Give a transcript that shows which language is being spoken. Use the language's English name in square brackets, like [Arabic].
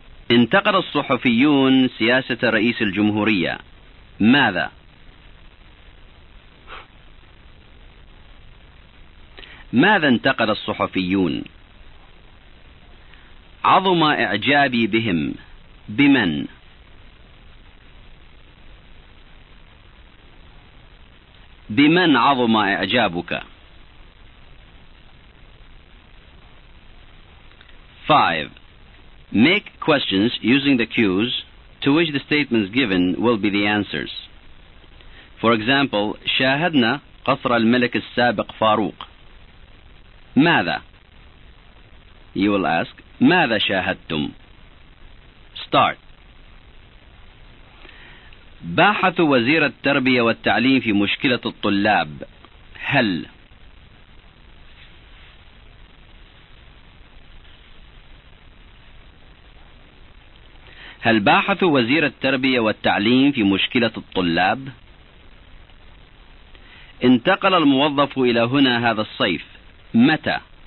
[Arabic] انتقد الصحفيون سياسة رئيس الجمهورية، ماذا؟ ماذا انتقد الصحفيون؟ عظم إعجابي بهم، بمن؟ بمن عظم إعجابك؟ 5. [English] Make questions using the cues to which the statements given will be the answers. For example, [Arabic] شاهدنا قصر الملك السابق فاروق. ماذا؟ [English] You will ask, [Arabic] ماذا شاهدتم؟ [English] Start. [Arabic] باحثوا وزير التربية والتعليم في مشكلة الطلاب، هل؟ هل باحثوا وزير التربية والتعليم في مشكلة الطلاب؟ انتقل الموظف إلى هنا هذا الصيف، متى؟